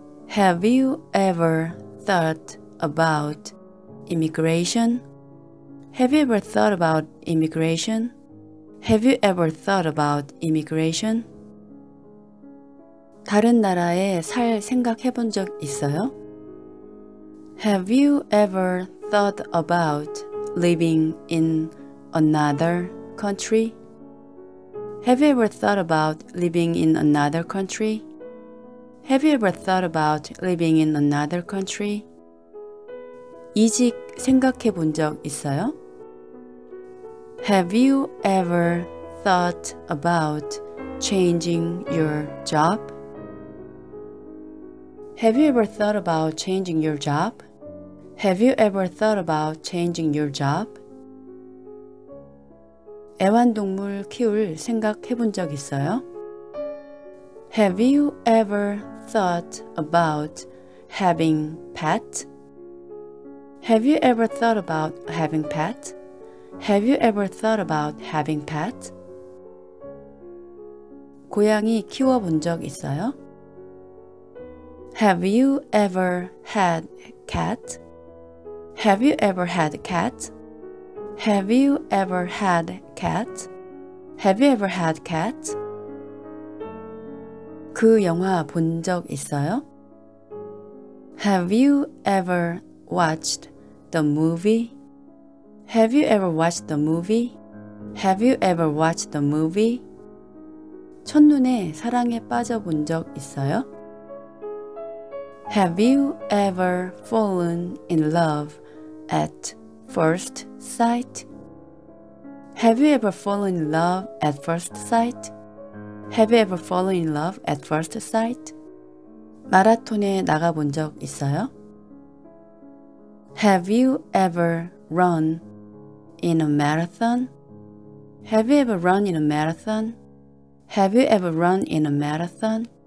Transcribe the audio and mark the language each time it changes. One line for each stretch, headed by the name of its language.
English: Have you ever thought about immigration? Have you ever thought about immigration? Have you ever thought about immigration?
Korean: 다른 나라에 살 생각해 본 적 있어요?
English: Have you ever thought about living in another country? Have you ever thought about living in another country? Have you ever thought about living in another country?
Korean: 이직 생각해 본 적 있어요?
English: Have you ever thought about changing your job? Have you ever thought about changing your job? Have you ever thought about changing your job?
Korean: 애완동물 키울 생각해 본 적 있어요?
English: Have you ever thought about having pet? Have you ever thought about having pet? Have you ever thought about having pet?
Korean: 고양이 키워 본 적 있어요?
English: Have you ever had a cat? Have you ever had a cat? Have you ever had a cat? Have you ever had a cat?
Korean: 그 영화 본 적 있어요?
English: Have you ever watched the movie? Have you ever watched the movie? Have you ever watched the movie?
Korean: 첫눈에 사랑에 빠져 본 적 있어요?
English: Have you ever fallen in love at first sight? Have you ever fallen in love at first sight? Have you ever fallen in love at first sight?
Korean: 마라톤에 나가 본 적 있어요?
English: Have you ever run in a marathon? Have you ever run in a marathon? Have you ever run in a marathon?